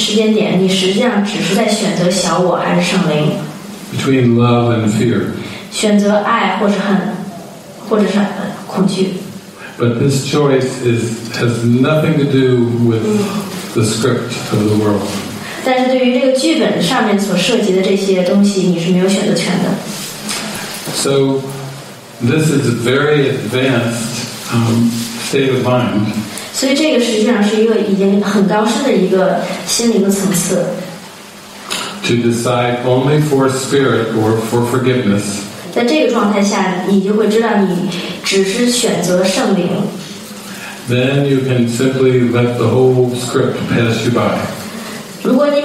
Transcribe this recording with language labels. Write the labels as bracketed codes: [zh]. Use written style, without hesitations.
[zh] 所以在每一个时间点，你实际上只是在选择小我还是圣灵。 [en] Between love and fear. [zh] 选择爱或者恨，或者是恐惧。 [en] But this choice has nothing to do with the script of the world. [zh] 但是对于这个剧本上面所涉及的这些东西，你是没有选择权的。 [en] So this is a very advanced state of mind. [zh] 所以这个实际上是一个已经很高深的一个心灵的层次。 [en] To decide only for spirit or for forgiveness. [zh] 在这个状态下，你就会知道你只是选择圣灵。 [en] Then you can simply let the whole script pass you by.